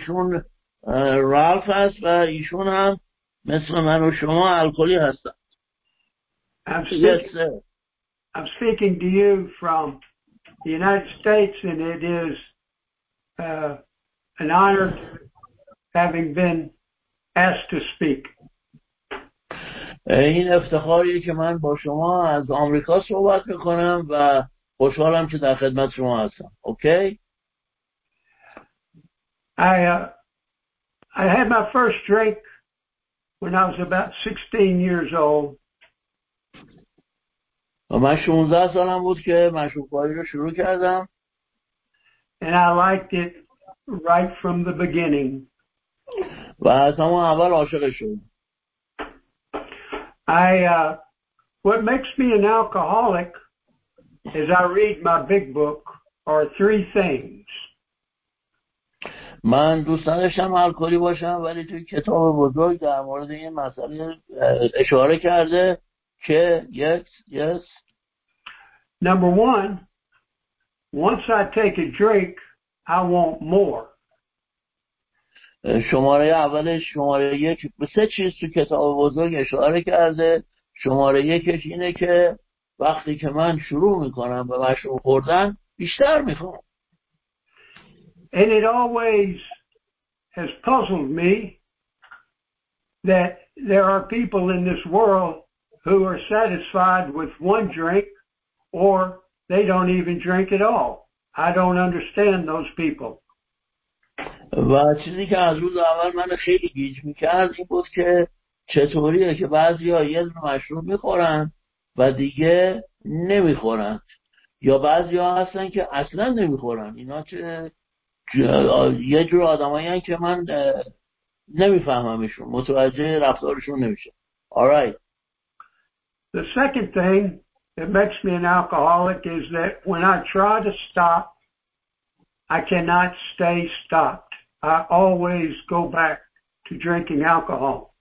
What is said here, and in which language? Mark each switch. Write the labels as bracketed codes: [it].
[fa] Ishun Ralph has, but Ishun ham مثل من و شما الکلی هستم. [en] I'm speaking to you from the United States, and it is an honor having been asked to speak. [fa] این افتخاری که من با شما از آمریکا صحبت میکنم و خوشحالم که در خدمت شما هستم. [en] Okay? I had my first drink when I was about 16 years old. [fa] من 16 سالم بود که مشروب‌خواری رو شروع کردم. [en] And I liked it right from the beginning. [fa] و از همون اول عاشقش شدم. [en] What makes me an alcoholic is I read my big book are three things. [fa] من دوست داشتم الکلی باشم ولی توی کتاب بزرگ در مورد این مسئله اشاره کرده که yes. [en] Number one, once I take a drink, I want more. [fa] شماره اولش شماره یک سه چیز تو کتاب بزرگ اشاره کرده. شماره یکش اینه که وقتی که من شروع میکنم به مشروب خوردن بیشتر میخوام. [en] And it always has puzzled me that there are people in this world who are satisfied with one drink or they don't even drink at all. I don't understand those people. [fa] و چیزی که از روز اول من خیلی گیج میکرد این بود که چطوریه که بعضی ها یه دونه مشروب میخورن و دیگه نمیخورن، یا بعضی ها هستن که اصلا نمیخورن. اینا چه یه جور آدم هایی هستن که من نمیفهممشون، متوجه رفتارشون نمیشه. [en] All right. The second thing that makes me an alcoholic is that when I try to stop, I cannot stay stopped. I always go back to drinking alcohol.